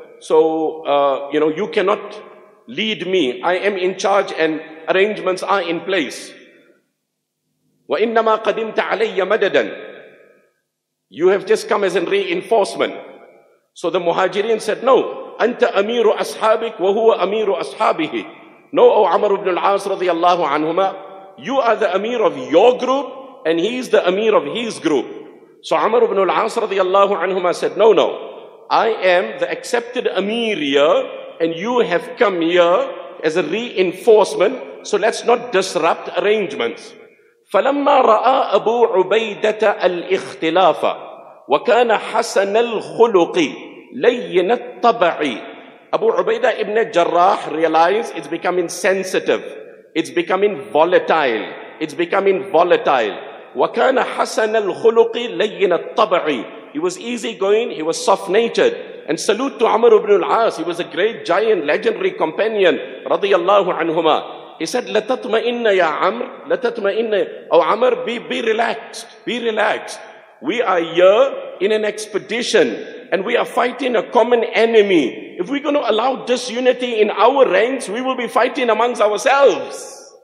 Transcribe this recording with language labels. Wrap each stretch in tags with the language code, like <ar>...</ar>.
<en>So, you cannot lead me. I am in charge and arrangements are in place.</en> <ar>وَإِنَّمَا قَدِمْتَ عَلَيَّ مَدَدًا.</ar> <en>You have just come as a reinforcement. So the Muhajirin said, no.</en> <ar>أَنْتَ أَمِيرُ أَصْحَابِكَ وَهُوَ أَمِيرُ أَصْحَابِهِ.</ar> <en>No, O Amr ibn al-As radiallahu anhuma. You are the Amir of your group and he is the Amir of his group. So Amr ibn al-As radiallahu anhuma said, no. I am the accepted Amir here and you have come here as a reinforcement, so let's not disrupt arrangements.</en> <ar>فَلَمَّا رَأَى أَبُو عُبَيْدَةَ الْإِخْتِلَافَ وَكَانَ حَسَنَ الْخُلُقِ لَيِّنَ الطَّبَعِ.</ar> <en>Abu Ubaidah ibn Jarrah realized it's becoming sensitive, it's becoming volatile, it's becoming volatile.</en> <ar>وَكَانَ حَسَنَ الْخُلُقِ لَيِّنَ الطَّبَعِ.</ar> <en>He was easygoing, he was soft-natured. And salute to Amr ibn al-As, he was a great giant, legendary companion, radiyallahu anhuma. He said,</en> <ar>لَتَطْمَئِنَّ يَا عَمْرِ لَتَطْمَئِنَّ.</ar> <en>Oh Amr, be relaxed. We are here in an expedition, and we are fighting a common enemy. If we're going to allow disunity in our ranks, we will be fighting amongst ourselves.</en>